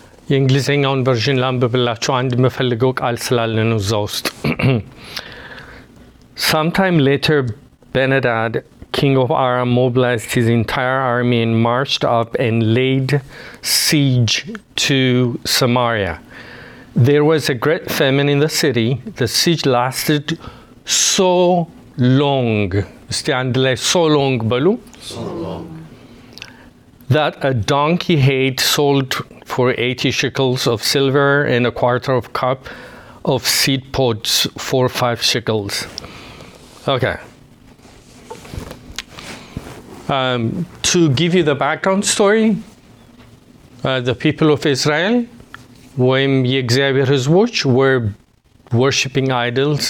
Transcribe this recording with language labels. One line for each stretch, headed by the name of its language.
Amharic: የእንግሊዝኛውን ቨርዥን ላንብብላችሁ አንድ መፈልገው ቃል ስላለ ነው እዛ ውስጥ
English: Sometime later, Ben-Hadad, king of Aram, mobilized his entire army and marched up and laid siege to Samaria. There was a great famine in the city. The siege lasted so long.
Amharic: እስቲ አንድ ላይ
English: so long
Amharic: በሉ?
English: So long. That a donkey head sold for 80 shekels of silver and a quarter of a cup of seed pods for 5 shekels. Okay. To give you the background story, the people of Israel, when Yegzabir's watch, were worshipping idols.